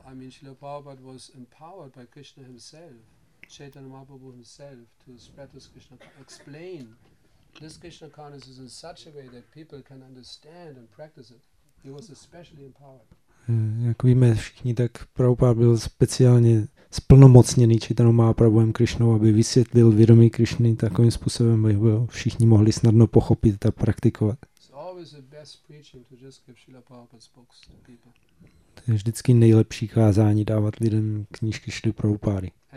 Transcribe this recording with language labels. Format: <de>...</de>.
<en>Srila Prabhupada was empowered by Krishna himself, Chaitanya Mahaprabhu himself, to spread this Krishna, explain this Krishna consciousness in such a way that people can understand and practice it. He was especially empowered.</en> <cs>Jak víme všichni, tak Prabhupada byl speciálně splnomocněný Chaitanya Mahaprabhuem Krishnou, aby vysvětlil vědomí Krishny takovým způsobem, aby ho všichni mohli snadno pochopit a praktikovat.</cs> <en>It's always the best preaching to just give Srila Prabhupada's books to people.</en> <cs>To je vždycky nejlepší kázání dávat lidem knížky Šrily Prabhupády.</cs>